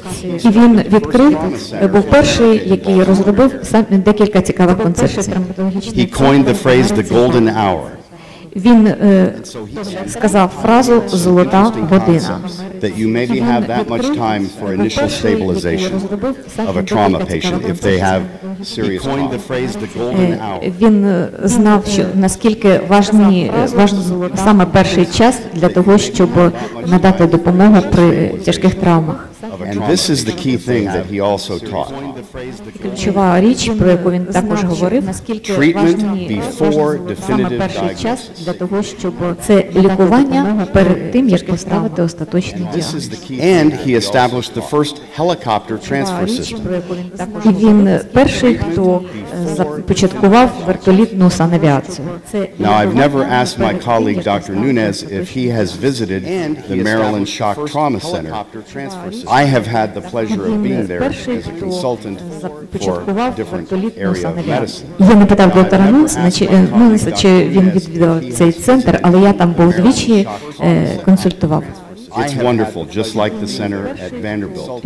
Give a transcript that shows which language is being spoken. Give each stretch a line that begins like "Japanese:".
Ukrainian: І він відкрив, був перший, який розробив саме декілька цікавих концепцій.
English: He coined the phrase the golden hour.
Ukrainian: Він сказав фразу «золота година».
English: That you maybe have that much time for initial stabilization of a trauma patient if they have serious trauma.
Ukrainian: Він знав, що наскільки важливий саме перший час для того, щоб надати допомогу при тяжких травмах.
English: And this is the key thing that he also taught.
Ukrainian: Ключова річ, про яку він також говорив,
English: treatment before definitive diagnosis.
Ukrainian: Саме перший час для того, щоб це лікування перед тим, як поставити остаточний діагноз.
English: And he established the first helicopter transfer system.
Ukrainian: І він перший, хто започаткував вертолітну санавіацію.
English: Now, I've never asked my colleague Dr. Nunes if he has visited the Maryland Shock Trauma Center. I have had the pleasure of being there as a consultant for different areas of medicine.
Ukrainian: Я не питав доктора Нунеса, чи він відвідав цей центр, але я там був двічі, консультував.
English: It's wonderful, just like the center at Vanderbilt.